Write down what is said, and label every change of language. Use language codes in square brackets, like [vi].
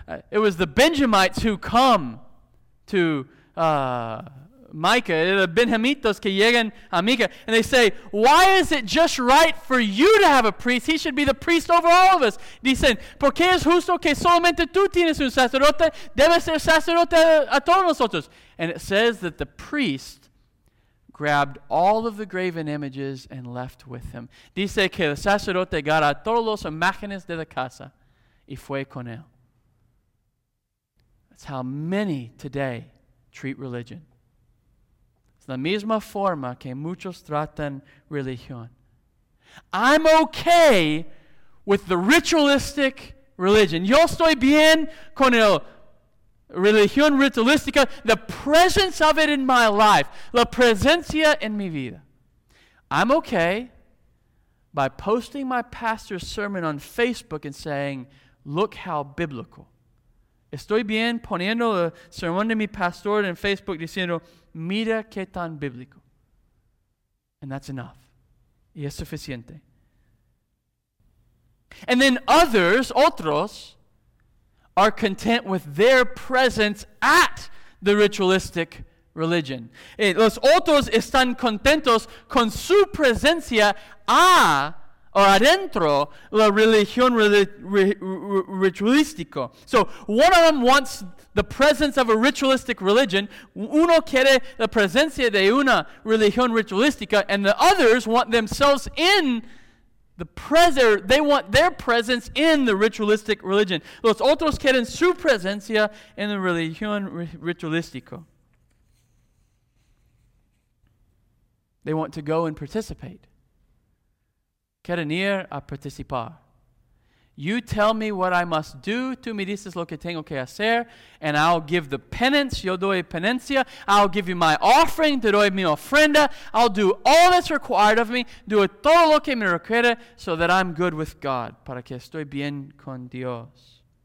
[en] It was the Benjamites who come to Micah. It was the Benjamitos [es] que llegan a Micah. [en] And they say, why is it just right for you to have a priest? He should be the priest over all of us. [es] Dicen, ¿por qué es justo que solamente tú tienes un sacerdote? Debe ser sacerdote a todos nosotros. [en] And it says that the priest grabbed all of the graven images and left with him. [es] Dice que el sacerdote agarra todos los imágenes de la casa y fue con él. [en] That's how many today treat religion. [es] Es la misma forma que muchos tratan religión. [en] I'm okay with the ritualistic religion. [es] Yo estoy bien con el religión ritualística, [en] the presence of it in my life, [es] la presencia en mi vida. [en] I'm okay by posting my pastor's sermon on Facebook and saying, look how biblical. [es] Estoy bien poniendo el sermón de mi pastor en Facebook diciendo, mira qué tan bíblico. [en] And that's enough. [es] Y es suficiente. [en] And then otros, are content with their presence at the ritualistic religion. [es] Los otros están contentos con su presencia adentro la religión ritualística. [en] So one of them wants the presence of a ritualistic religion, [es] uno quiere la presencia de una religión ritualística, [en] and the others want themselves in the presence, they want their presence in the ritualistic religion. [es] Los otros quieren su presencia en la religión ritualística. [en] They want to go and participate. [es] Quieren ir a participar. [en] You tell me what I must do, [es] tú me dices lo que tengo que hacer, [en] and I'll give the penance, [es] yo doy penencia, [en] I'll give you my offering, [es] te doy mi ofrenda, [en] I'll do all that's required of me, [es] do todo lo que me requiere, [en] so that I'm good with God, [es] para que estoy bien con Dios.